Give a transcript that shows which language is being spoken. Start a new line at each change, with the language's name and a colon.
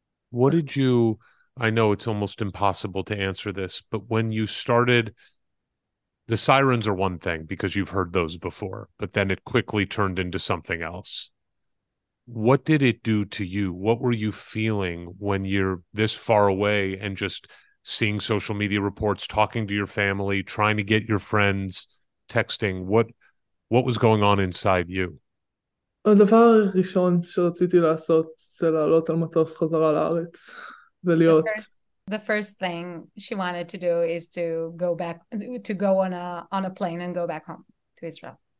English: what did you, I know it's almost impossible to answer this, but when you started, the sirens are one thing because you've heard those before, but then it quickly turned into something else. What did it do to you? What were you feeling when you're this far away and just seeing social media reports, talking to your family, trying to get your friends, texting? What was going on inside you?
Hebrew: הדבר הראשון שרציתי לעשות זה לעלות על מטוס חזרה לארץ ולהיות.
English: The first thing she wanted to do is to go back, to go on a plane and go back home to Israel.